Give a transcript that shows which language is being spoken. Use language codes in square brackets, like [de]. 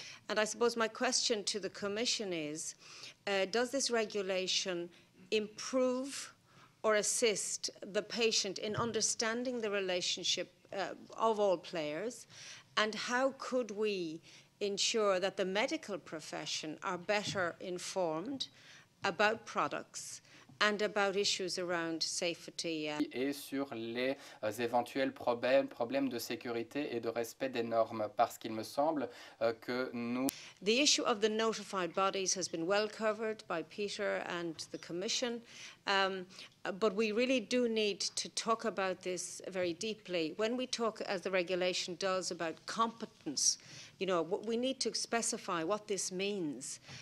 [en] And I suppose my question to the Commission is, does this regulation improve or assist the patient in understanding the relationship of all players? And how could we ensure that the medical profession are better informed about products and about issues around safety [fr] et sur les éventuels problèmes de sécurité et de respect des normes, parce qu'il me semble que nous. [en] The issue of the notified bodies has been well covered by Peter and the Commission, but we really do need to talk about this very deeply. When we talk, as the regulation does, about competence, you know, we need to specify what this means.